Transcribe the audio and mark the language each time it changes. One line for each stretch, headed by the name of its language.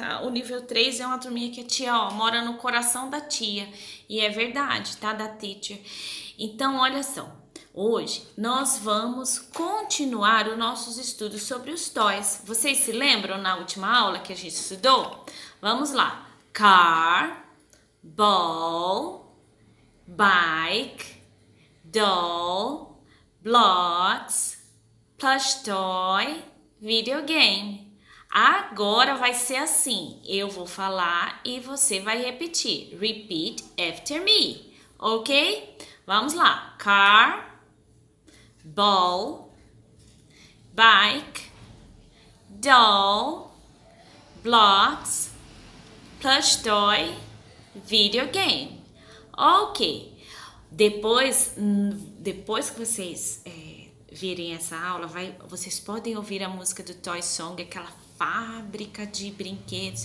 Portuguese: O nível 3 é uma turminha que a tia, ó, mora no coração da tia. E é verdade, tá? Da teacher. Então, olha só. Hoje nós vamos continuar os nossos estudos sobre os toys. Vocês se lembram na última aula que a gente estudou? Vamos lá.
English: Car, ball, bike, doll, blocks, plush toy, videogame.
Portuguese: Agora vai ser assim. Eu vou falar e você vai repetir.
English: Repeat after me, ok?
Portuguese: Vamos lá.
English: Car, ball, bike, doll, blocks, plush toy, videogame.
Portuguese: Ok, depois que vocês virem essa aula, vocês podem ouvir a música do Toy Song, aquela fábrica de brinquedos.